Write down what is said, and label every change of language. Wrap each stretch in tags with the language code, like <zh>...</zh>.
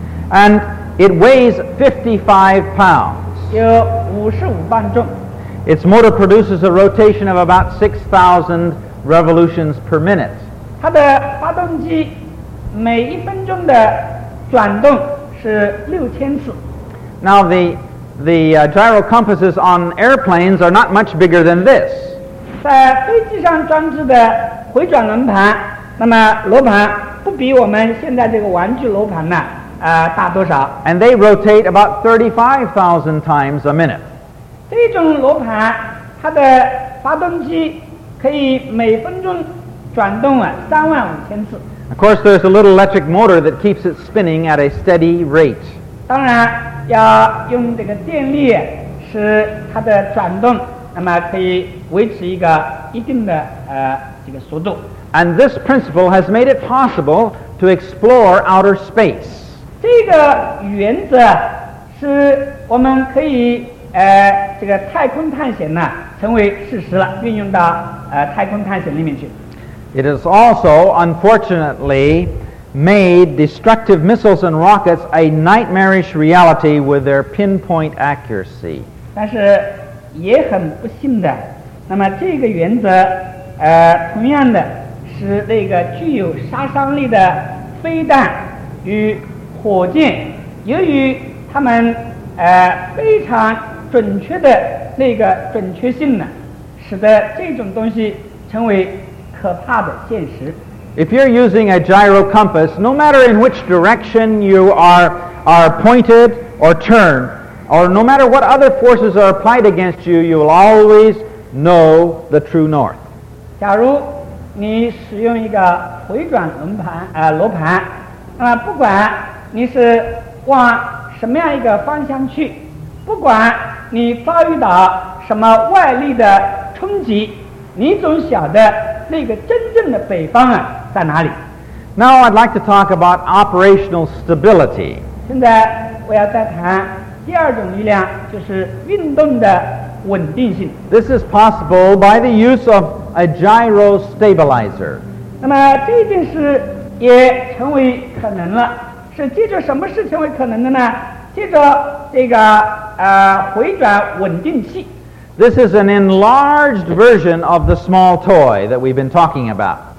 <en>And it weighs 55 pounds.</en> <zh>有55磅重。</zh> <en>Its motor produces a rotation of about 6,000 revolutions per minute.</en> <zh>它的发动机每一分钟的转动是6000次。</zh> <en>Now the gyro compasses on airplanes are not much bigger than this.</en> <zh>在飞机上装置的回转轮盘，那么罗盘不比我们现在这个玩具罗盘呢，大多少。</zh> <en>And they rotate about 35,000 times a minute.</en> <zh>这种罗盘，它的发动机可以每分钟转动啊35000次。</zh> <en>Of course, there's a little electric motor that keeps it spinning at a steady rate.</en> <zh>当然要用这个电力使它的转动，那么可以维持一个一定的这个速度。</zh> <en>And this principle has made it possible to explore outer space.</en> <zh>这个原则是我们可以这个太空探险呢成为事实了，运用到太空探险里面去。</zh> <en>It has also, unfortunately, made destructive missiles and rockets a nightmarish reality with their pinpoint accuracy.</en> <zh>但是也很不幸的，那么这个原则，同样的使那个具有杀伤力的飞弹与火箭，由于他们非常准确的那个准确性呢，使得这种东西成为可怕的现实。</zh> <en>If you're using a gyro compass, no matter in which direction you are pointed or turned, or no matter what other forces are applied against you, you will always know the true north.</en> <zh>假如你使用一个回转轮盘罗盘，那么不管你是往什么样一个方向去，不管你遭遇到什么外力的冲击，你总晓得那个真正的北方啊在哪里。</zh> <en>Now I'd like to talk about operational stability.</en> <zh>现在我要再谈第二种力量，就是运动的稳定性。</zh> <en>This is possible by the use of a gyro stabilizer.</en> <zh>那么这件事也成为可能了，是借着什么事成为可能的呢？借着这个回转稳定器。</zh> <en>This is an enlarged version of the small toy that we've been talking about.</en>